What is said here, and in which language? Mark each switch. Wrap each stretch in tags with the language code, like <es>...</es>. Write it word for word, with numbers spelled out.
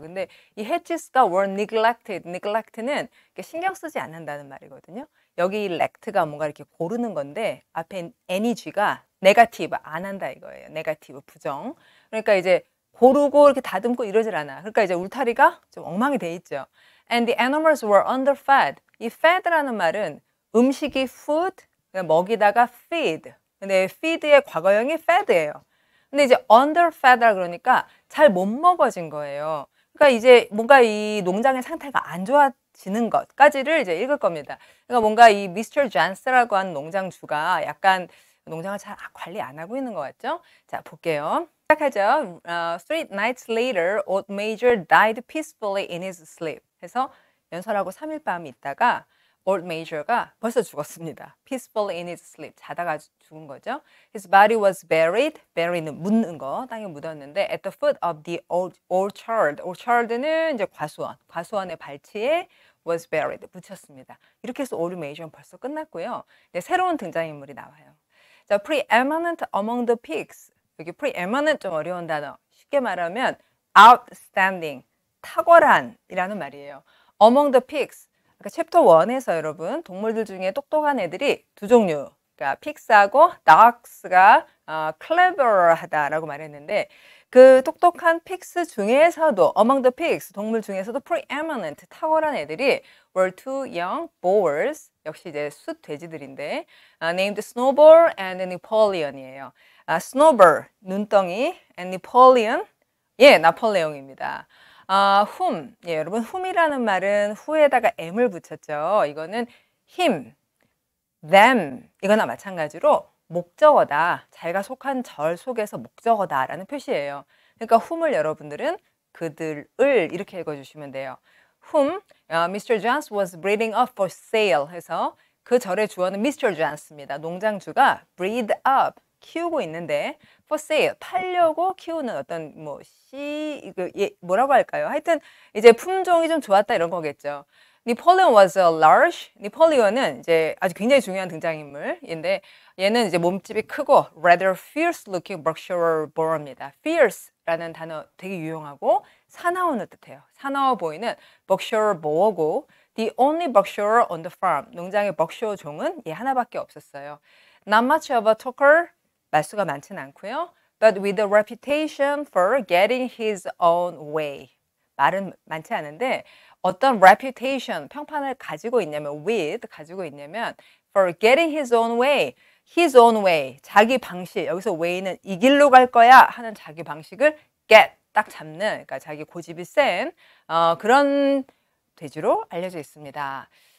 <ko>근데 이 해지스가</ko> <en>were neglected,</en> <ko>neglect는 신경 쓰지 않는다는 말이거든요. 여기 이 lect가 뭔가 이렇게 고르는 건데, 앞에 eng가 negative, 안 한다 이거예요. negative, 부정. 그러니까 이제 고르고 이렇게 다듬고 이러질 않아. 그러니까 이제 울타리가 좀 엉망이 돼 있죠.</ko> <en>And the animals were underfed.</en> <ko>이 fed라는 말은 음식이 food, 먹이다가 feed. 근데 feed의 과거형이 fed예요. 근데 이제 underfed라 그러니까 잘 못 먹어진 거예요. 그러니까 이제 뭔가 이 농장의 상태가 안 좋아지는 것까지를 이제 읽을 겁니다. 그러니까 뭔가 이 미스터 존스라고 하는 농장주가 약간 농장을 잘 관리 안 하고 있는 것 같죠? 자, 볼게요. 시작하죠.</ko> <en>어, Three nights later, old Major died peacefully in his sleep.</en> <ko>해서 연설하고 삼 일 밤이 있다가 Old Major가 벌써 죽었습니다.</ko> <en>Peacefully in his sleep,</en> <ko>자다가 주- 죽은 거죠.</ko> <en>His body was buried. Bury는 묻는 거,</en> <ko>땅에 묻었는데</ko> <en>at the foot of the old orchard.</en> <ko>orchard는 이제 과수원, 과수원의 발치에</ko> <en>was buried,</en> <ko>묻혔습니다. 이렇게 해서 Old Major는 벌써 끝났고요. 이제 새로운 등장인물이 나와요.</ko> <en>자, preeminent among the pigs.</en> <ko>여기 preeminent 좀 어려운 단어. 쉽게 말하면 outstanding, 탁월한이라는 말이에요.</ko> <en>Among the pigs.</en> <ko>아까 챕터 일에서 여러분 동물들 중에 똑똑한 애들이 두 종류, 그러니까 pigs하고 dogs가 어, clever하다라고 말했는데, 그 똑똑한 pigs 중에서도 among the pigs, 동물 중에서도 preeminent, 탁월한 애들이</ko> <en>were two young boars,</en> <ko>역시 이제 숫 돼지들인데 아,</ko> <en>named Snowball and Napoleon</en> <ko>이에요. 아, Snowball, 눈덩이, and Napoleon, 예, 나폴레옹입니다. 아, whom, 예, 여러분, whom이라는 말은 who에다가 m을 붙였죠. 이거는 him, them, 이거나 마찬가지로 목적어다, 자기가 속한 절 속에서 목적어다라는 표시예요. 그러니까 whom을 여러분들은 그들을 이렇게 읽어주시면 돼요. Whom uh, 미스터 Johns</ko> <en>was breeding up for sale</en> <ko>해서 그 절의 주어는 미스터 Johns입니다. 농장주가 breed up, 키우고 있는데 for sale, 팔려고 키우는 어떤 뭐 씨, 이거 예, 뭐라고 할까요? 하여튼 이제 품종이 좀 좋았다 이런 거겠죠.</ko> <en>Napoleon was a large.</en> <ko>Napoleon은 이제 아주 굉장히 중요한 등장인물인데, 얘는 이제 몸집이 크고</ko> <en>rather fierce looking Berkshire Boar</en> <ko>입니다. fierce라는 단어 되게 유용하고 사나운을 뜻해요. 사나워 보이는</ko> <en>Berkshire Boar고, the only Berkshire on the farm.</en> <ko>농장의 Berkshire 종은 얘 하나밖에 없었어요.</ko> <en>Not much of a talker.</en> <ko>말수가 많진 않고요.</ko> <en>But with a reputation for getting his own way.</en> <ko>말은 많지 않은데 어떤 reputation, 평판을 가지고 있냐면 with 가지고 있냐면</ko> <en>for getting his own way,</en> <ko>his own way, 자기 방식, 여기서 way는 이 길로 갈 거야 하는 자기 방식을 get 딱 잡는, 그러니까 자기 고집이 센 어, 그런 돼지로 알려져 있습니다.</ko>